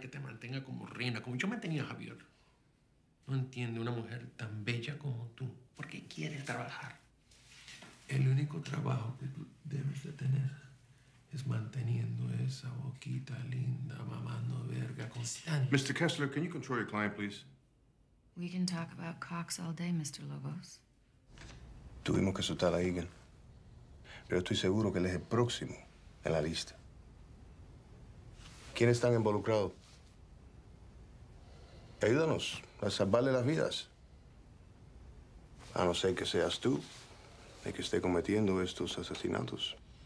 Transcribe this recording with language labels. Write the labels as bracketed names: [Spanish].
[Spanish] Que te mantenga como reina, como yo mantenía a Javier. No entiende una mujer tan bella como tú. ¿Por qué quieres trabajar? El único trabajo que tú debes de tener es manteniendo esa boquita linda, mamando verga constante. [English] Mr. Kessler, can you control your client, please? We can talk about cocks all day, Mr. Lobos. [Spanish] Tuvimos que soltar a Egan. Pero estoy seguro que él es el próximo en la lista. ¿Quiénes están involucrados? Ayúdanos a salvarle las vidas. A no ser que seas tú el que esté cometiendo estos asesinatos.